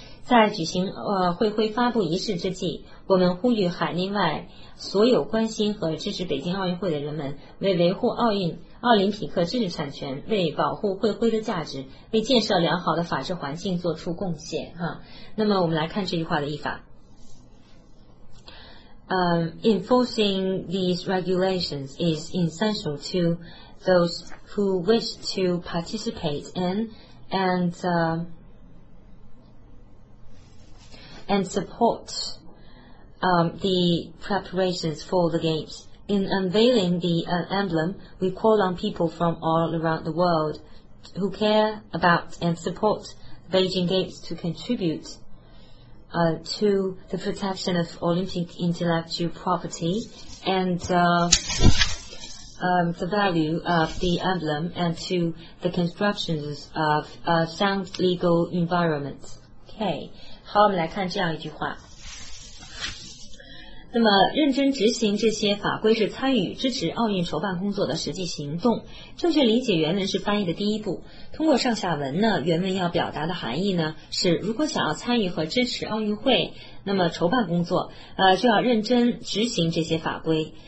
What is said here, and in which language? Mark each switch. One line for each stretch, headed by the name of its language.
Chinese: 在举行会徽发布仪式之际，我们呼吁海内外所有关心和支持北京奥运会的人们，为维护奥林匹克知识产权，为保护会徽的价值，为建设良好的法治环境做出贡献哈。那么我们来看这句话的译法。
English: Enforcing these regulations is essential to those who wish to participate in and support the preparations for the games. In unveiling the emblem, we call on people from all around the world who care about and support the Beijing Games to contribute to the protection of Olympic intellectual property and the value of the emblem and to the construction of a sound legal environment. Okay.
Chinese: 好，我们来看这样一句话。那么认真执行这些法规是参与支持奥运筹办工作的实际行动。正确理解原文是翻译的第一步。通过上下文呢，原文要表达的含义呢是，如果想要参与和支持奥运会，那么筹办工作就要认真执行这些法规。